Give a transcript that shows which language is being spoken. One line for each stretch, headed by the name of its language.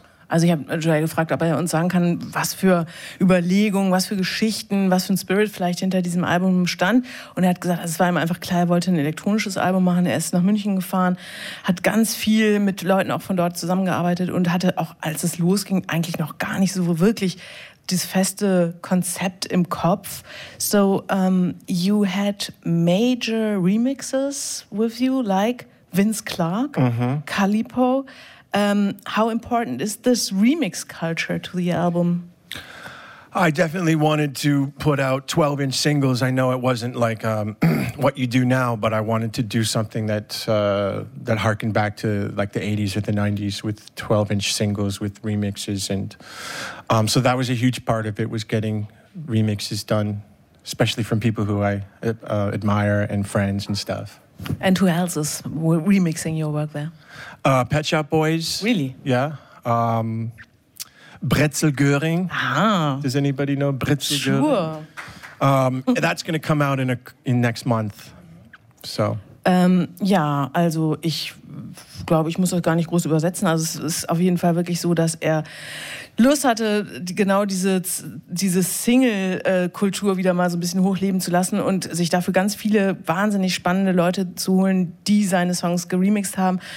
German: Also ich habe Joel gefragt, ob er uns sagen kann, was für Überlegungen, was für Geschichten, was für ein Spirit vielleicht hinter diesem Album stand. Und er hat gesagt, also es war ihm einfach klar, er wollte ein elektronisches Album machen. Er ist nach München gefahren, hat ganz viel mit Leuten auch von dort zusammengearbeitet und hatte auch, als es losging, eigentlich noch gar nicht so wirklich dieses feste Konzept im Kopf.
English: So, you had major remixes with you, like Vince Clark, Calipo. How important is this remix culture to the album? I definitely wanted to put out 12-inch singles. I know it wasn't like what you do now, but I wanted to do something that that harkened back to like the 80s or the 90s with 12-inch singles with remixes. And so that was a huge part of it, was getting remixes done, especially from people who I admire and friends and stuff. And who else is remixing your work there? Pet Shop Boys. Really? Yeah. Brezel Göring. Ah. Does anybody know Brezel Göring? Sure. That's going to come out in next month. So.
German: Ja, also ich glaube, ich muss das gar nicht groß übersetzen. Also es ist auf jeden Fall wirklich so, dass er Lust hatte, genau diese Single-Kultur wieder mal so ein bisschen hochleben zu lassen und sich dafür ganz viele wahnsinnig spannende Leute zu holen, die seine Songs geremixed haben.